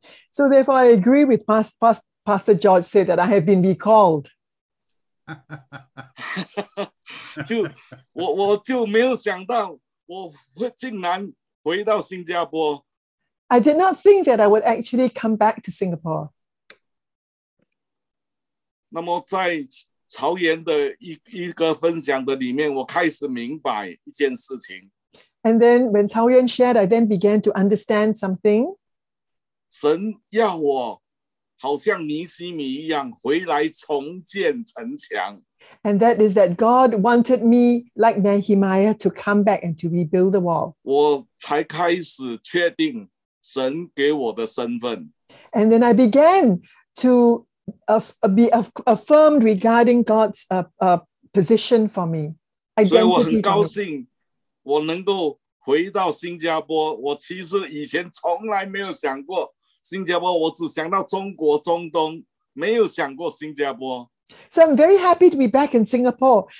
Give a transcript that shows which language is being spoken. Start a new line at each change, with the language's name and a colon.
English: So therefore, I agree with Pastor George said that I have been recalled.
Chinese: 我就没有想到我会竟然回到新加坡。
English: I did not think that I would actually come back to Singapore.
Chinese: 那么在曹岩的一个分享的里面,我开始明白一件事情。
English: And then when Cao Yuan shared, I then began to understand something.
Chinese: 神要我好像尼希米一样回来重建城墙。
English: And that is that God wanted me, like Nehemiah, to come back and to rebuild the wall.
Chinese: 我才开始确定神给我的身份。
English: And then I began to be affirmed regarding God's position for me.
Chinese: 所以我很高兴我能够回到新加坡。我其实以前从来没有想过 新加坡,我只想到中国,中东,没有想过新加坡。
English: So I'm very happy to be back in Singapore.